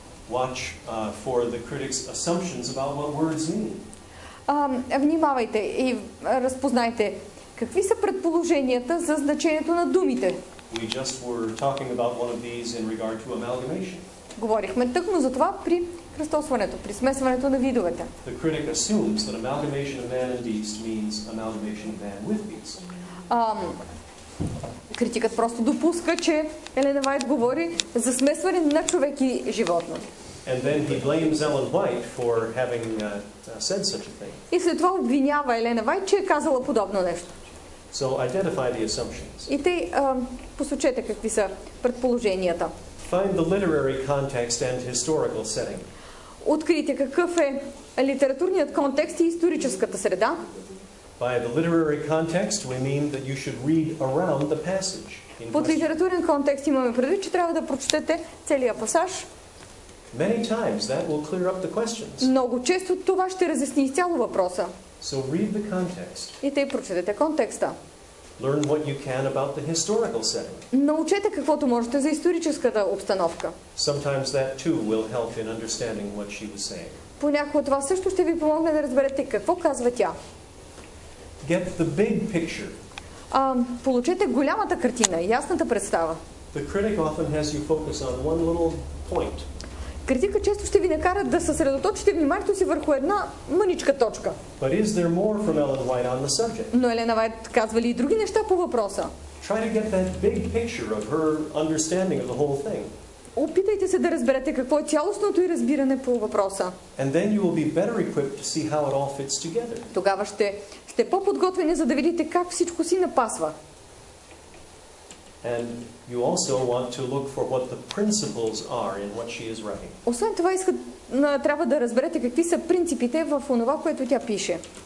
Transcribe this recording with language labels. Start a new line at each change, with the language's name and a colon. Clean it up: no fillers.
English: Watch for the critic's assumptions about what words mean.
Bulgarian: Внимавайте и разпознайте какви са предположенията за значението на думите.
English: We just were talking about one of these in regard to amalgamation.
Bulgarian: Говорихме тъкмо за това при кръстосването, при смесването на видовете.
English: The critic assumes that amalgamation of man and beast means amalgamation of man with beast.
Bulgarian: Критикът просто допуска, че Елена Вайт говори за смесване на човек и животно.
English: And then he blames Ellen White for having said such a thing.
Bulgarian: И след това обвинява Елена Вайт, че е казала подобно нещо.
English: So identify the assumptions.
Bulgarian: И те посочете какви са предположенията.
English: Find the literary context and historical setting.
Bulgarian: Открийте какъв е литературният контекст и историческата среда.
English: By the literary context, we mean that you should read around the passage.
Bulgarian: Под литературен контекст имаме предвид, че трябва да прочетете целия пасаж.
English: Many times that will clear up the questions.
Bulgarian: Много често това ще разясни изцяло въпроса.
English: So read the context.
Bulgarian: И тъй прочетете контекста.
English: Learn what you can about the historical setting.
Bulgarian: Научете каквото можете за историческата обстановка.
English: Sometimes that too will help in understanding what she was saying.
Bulgarian: Понякога това също ще ви помогне да разберете какво казва тя.
English: Get the big picture.
Bulgarian: Получете голямата картина, ясната представа.
English: The critic often has you focus on one little point.
Bulgarian: Критика често ще ви накара да съсредоточите вниманието си върху една мъничка точка.
English: But is there more from Ellen White on the subject?
Bulgarian: Но Елена Вайт казва ли и други неща по въпроса?
English: Try to get that big picture of her understanding of the whole thing.
Bulgarian: Опитайте се да разберете какво е цялостното и разбиране по въпроса.
English: And then you will be better equipped to see how it all fits together.
Bulgarian: Тогава ще сте по-подготвени, за да видите как всичко си напасва.
English: And you also want to look for what the principles are in what she is writing.
Bulgarian: Освен това, трябва да разберете какви са принципите в онова, което тя пише.